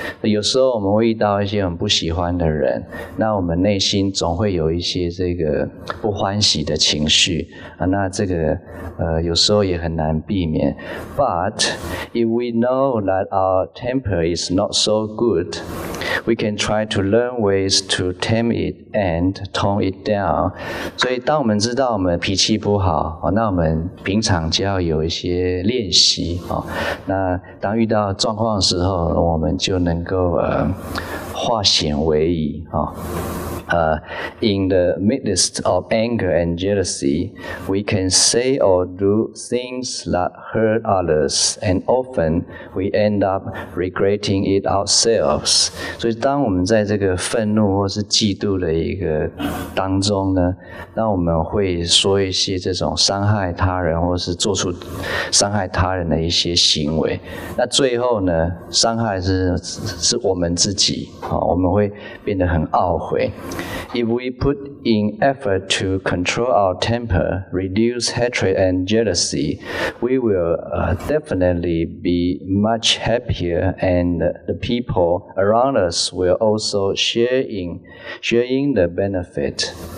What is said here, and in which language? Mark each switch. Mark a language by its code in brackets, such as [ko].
[zh] 有时候我们会遇到一些很不喜欢的人，那我们内心总会有一些这个不欢喜的情绪，那这个有时候也很难避免。 [en] But if we know that our temper is not so good, we can try to learn ways to tame it and tone it down. [zh] 所以当我们知道我们脾气不好，那我们平常就要有一些练习、哦、那当遇到状况的时候我们就能够化险为夷、哦、 [en] In the midst of anger and jealousy, we can say or do things that hurt others, and often we end up regretting it ourselves. [zh] 所以当我们在这个愤怒或是嫉妒的一个当中呢，那我们会说一些这种伤害他人或是做出伤害他人的一些行为，那最后呢，伤害是我们自己、哦、我们会变得很懊悔。 [en] If we put in effort to control our temper, reduce hatred and jealousy, we will definitely be much happier, and the people around us will also share in the benefit.